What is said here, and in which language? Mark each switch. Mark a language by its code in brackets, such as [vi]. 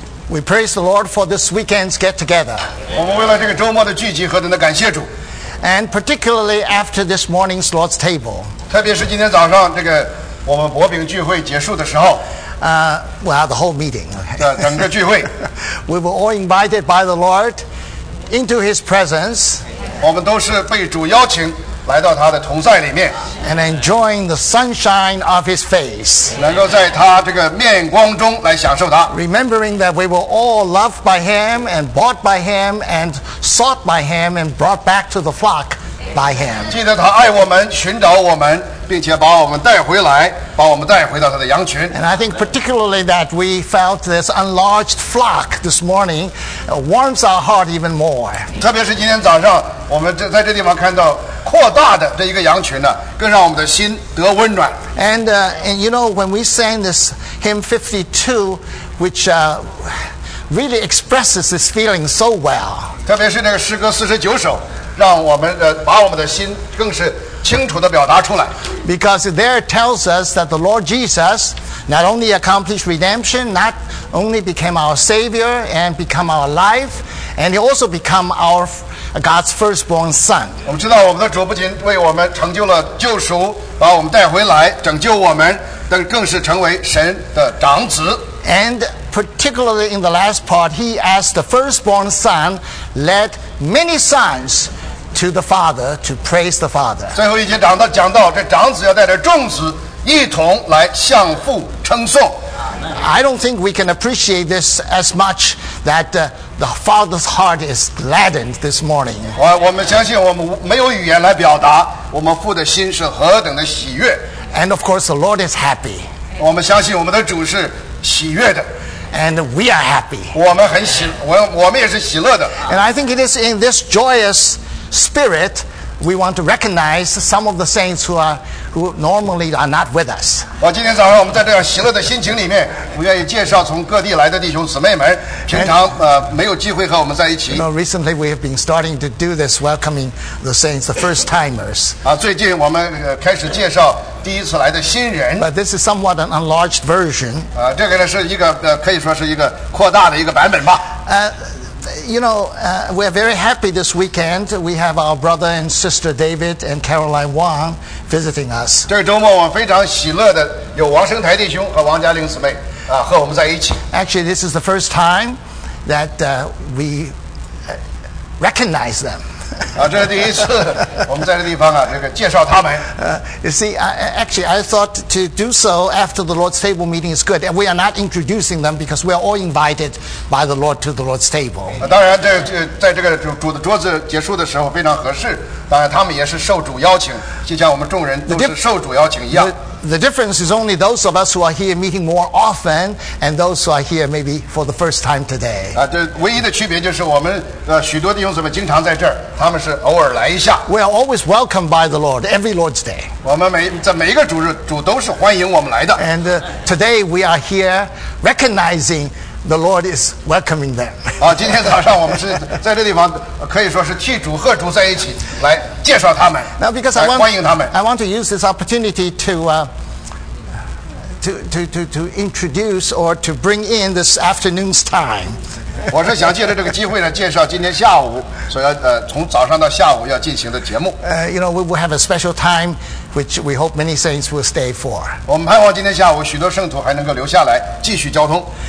[en] We praise the Lord for this weekend's get together. [zh] 我们为了这个周末的聚集何等的感谢主。 [en] And particularly after this morning's Lord's table. [zh] 特别是今天早上这个我们薄饼聚会结束的时候。 [en] The whole meeting. [zh] 整个聚会。 [en] We were all invited by the Lord into His presence. [zh] 我们都是被主邀请。来到他的同在里面 [en] and enjoying the sunshine of his face [zh] 能够在他这个面光中来享受他 [en] remembering that we were all loved by him and bought by him and sought by him and brought back to the flock by him [zh] 记得他爱我们寻找我们并且把我们带回来把我们带回到他的羊群 [en] and I think particularly that we felt this enlarged flock this morning warms our heart even more [zh] 特别是今天早上我们在这地方看到扩大的这一个羊群呢，更让我们的心得温暖。 [en] And you know when we sang this hymn 52, which really expresses this feeling so well. [zh] 特别是那个诗歌49首，让我们把我们的心更是清楚地表达出来。 [en] Because there it tells us that the Lord Jesus not only accomplished redemption, not only became our Savior and become our life, and He also become our God's firstborn son. [zh] 我们知道我们的主不仅为我们成就了救赎，把我们带回来，拯救我们，但更是成为神的长子。 [en] And particularly in the last part, he as the firstborn son led many sons to the Father to praise the Father. [zh] 最后一节讲到这长子要带着众子一同来向父称颂。 [en] I don't think we can appreciate this as much that the Father's heart is gladdened this morning. [zh] 我们相信我们没有语言来表达我们父的心是何等的喜悦。 [en] And of course, the Lord is happy. [zh] 我们相信我们的主是喜悦的。 [en] And we are happy. [zh] 我们也是喜乐的。 [en] And I think it is in this joyous spirit we want to recognize some of the saints who normally are not with us. [zh] 今天早上我们在这样喜乐的心情里面我愿意介绍从各地来的弟兄姊妹们平常没有机会和我们在一起。 [en] You know, recently we have been starting to do this welcoming the saints, the first timers. [zh] 最近我们开始介绍第一次来的新人。 [en] But this is somewhat an enlarged version. [zh] 这个呢是一个可以说是一个扩大的一个版本吧。 [en] You know, we're very happy this weekend. We have our brother and sister David and Caroline Wang visiting us. [zh] 这个周末我非常喜乐的有王生台弟兄和王嘉玲姊妹和我们在一起。 [en] Actually, this is the first time that we recognize them. [zh] 这是第一次我们在这地方这个介绍他们。 [en] You see, I thought to do so after the Lord's table meeting is good. And we are not introducing them because we are all invited by the Lord to the Lord's table. [zh] 当然在这个主的桌子结束的时候非常合适。当然他们也是受主邀请就像我们众人都是受主邀请一样。 [en] The difference is only those of us who are here meeting more often and those who are here maybe for the first time today. [zh] 这唯一的区别就是我们许多弟兄姊妹经常在这儿他们是偶尔来一下。 [en] We are always welcomed by the Lord every Lord's Day. [zh] 我们在每一个主日主都是欢迎我们来的。 [en] And today we are here recognizing the Lord is welcoming them. [zh] 今天早上我们是在这地方可以说是替主和主在一起来介绍他们 [en] Now, because [zh] 来欢迎他们 [en] I want to use this opportunity to introduce or to bring in this afternoon's time. [zh] 我是想借着这个机会呢介绍今天下午所以从早上到下午要进行的节目 [en] You know, we will have a special time which we hope many saints will stay for. [zh] 我们盼望今天下午许多圣徒还能够留下来继续交通